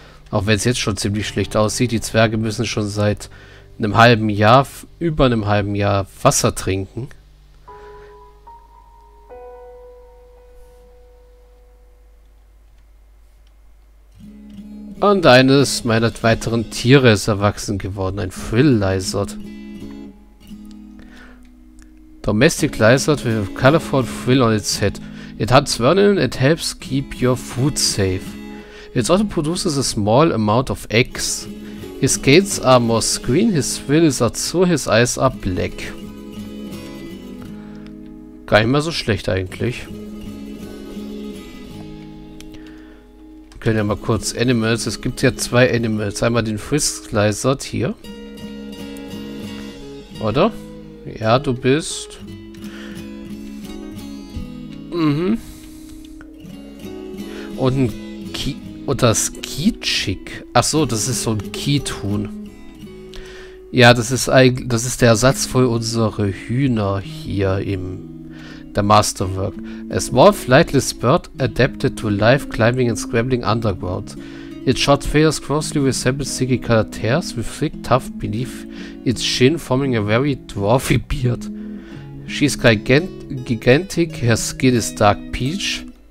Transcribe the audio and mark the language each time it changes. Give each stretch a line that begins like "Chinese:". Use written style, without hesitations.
German: Auch wenn es jetzt schon ziemlich schlecht aussieht. Die Zwerge müssen schon seit einem halben Jahr, über einem halben Jahr Wasser trinken. Und eines meiner weiteren Tiere ist erwachsen geworden. Ein Frill Lizard.
English: Domestic Lizard with a colorful frill on its head. It hunts vermin and helps keep your food safe. It also produces a small amount of eggs. His scales are more green, his frill is azure, his eyes are black.
German: Gar nicht mehr so schlecht eigentlich. Wir können ja mal kurz Animals. Es gibt ja zwei Animals. Einmal den Frisk Lizard hier. Oder? Ja, du bist. Und das Kitschik. Ach so, das ist so ein Kiethuhn. Ja, das ist eigentlich, das ist der Ersatz für unsere Hühner hier im der Masterwork.
English: A small flightless bird adapted to life climbing and scrambling underground. Its short feathers closely resemble sticky colored hairs with thick tuft beneath its chin forming a very dwarfy beard. She's gigantic, her skin is dark peach.